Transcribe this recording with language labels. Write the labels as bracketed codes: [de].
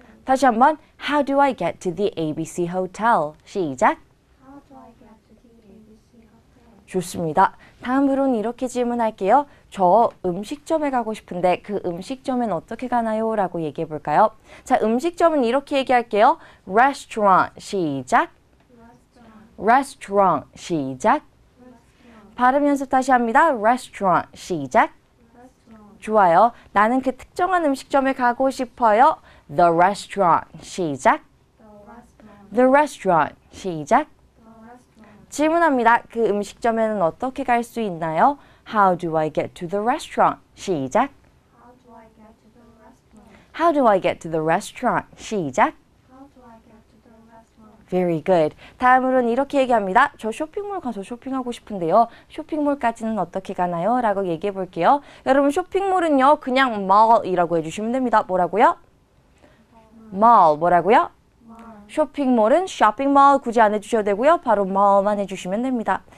[ko] 다시 한번 [en] How do I get to the ABC Hotel? [ko] 시작. [en] How do I get to the ABC Hotel? [ko] 좋습니다. 다음으로는 이렇게 질문할게요. 저 음식점에 가고 싶은데 그 음식점엔 어떻게 가나요? 라고 얘기해 볼까요? 자, 음식점은 이렇게 얘기할게요. [en] Restaurant [ko] 시작. [en] Restaurant [ko] 시작. [en] Restaurant. [ko] 발음 연습 다시 합니다. [en] Restaurant 시작. Restaurant. [ko] 좋아요. 나는 그 특정한 음식점에 가고 싶어요. [en] The restaurant, 시작. The restaurant, [ko] 시작. [en] The restaurant. [ko] 질문합니다. 그 음식점에는 어떻게 갈 수 있나요? [en] How do I get to the restaurant, 시작. How do I get to the restaurant? How do I get to the restaurant, 시작. How do I get to the restaurant? Very good. [ko] 다음으로는 이렇게 얘기합니다. 저 쇼핑몰 가서 쇼핑하고 싶은데요. 쇼핑몰까지는 어떻게 가나요? 라고 얘기해 볼게요. 여러분, 쇼핑몰은요. 그냥 mall이라고 해주시면 됩니다. 뭐라고요? Mall 뭐라고요? [en] Mall. [ko] 쇼핑몰은 쇼핑몰 굳이 안 해주셔도 되고요. 바로 mall만 해주시면 됩니다.